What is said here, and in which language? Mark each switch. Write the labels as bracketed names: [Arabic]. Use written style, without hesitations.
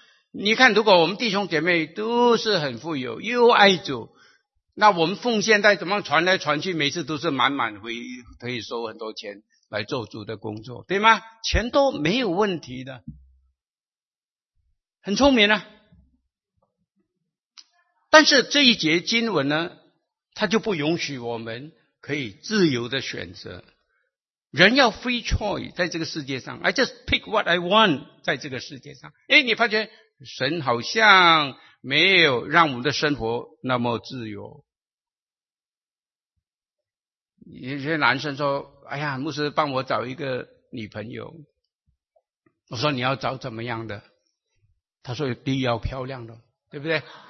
[Chinese] 你看如果我们弟兄姐妹都是很富有又爱主，那我们奉献在怎么传来传去，每次都是满满回可以收很多钱来做主的工作，对吗？钱都没有问题的，很聪明啊。但是这一节经文呢，它就不允许我们可以自由的选择。人要 free choice 在这个世界上， [English] I just pick what I want [Chinese] 在这个世界上。诶，你发觉神好像没有让我们的生活那么自由。有些男生说，哎呀，牧师帮我找一个女朋友。我说你要找怎么样的？他说第一要漂亮的，对不对？